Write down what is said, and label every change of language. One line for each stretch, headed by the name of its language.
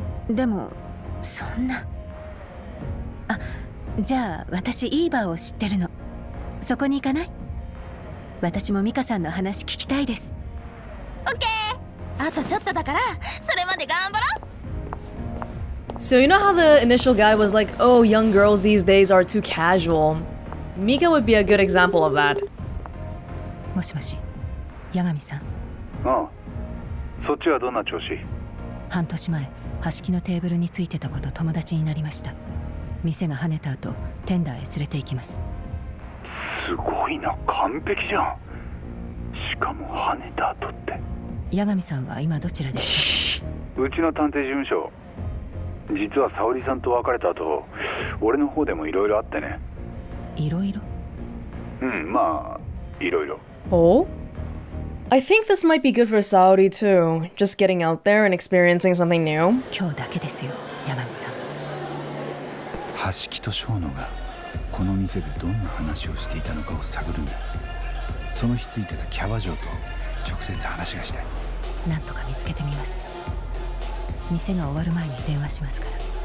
Japanese: え、でもそんな。あ、じゃあ私イーバーを知ってるの、そこに行かない？私もミカさんの話聞きたいです。オッケー、あとちょっとだからそれまで頑張ろう。
English: So you know how the initial guy was like, oh, young girls these days are too casual. Mika would be a good example of that.
Japanese: もしもし、ヤガミさん。ああ、そっちはどんな調子？半年前、端木のテーブルについてた子と友達になりました。店が跳ねた後、テンダーへ連れて行きます。すごいな、完璧じゃん。しかも跳ねた後って。矢上さんは今どちらですか？うちの探偵事務所。実は沙織さんと別れた後、俺の方でもいろいろあってね。いろいろ？うん、まあ、いろいろ。お？
English: I think this might be good for Saori too. Just getting out there and experiencing something new.
Japanese: 今日だけですよ、矢上さん。はしきとしょうのがこの店でどんな話をしていたのかを探るんだ。その日ついてたキャバ嬢と直接話がしたい。なんとか見つけてみます。店が終わる前に電話しますから。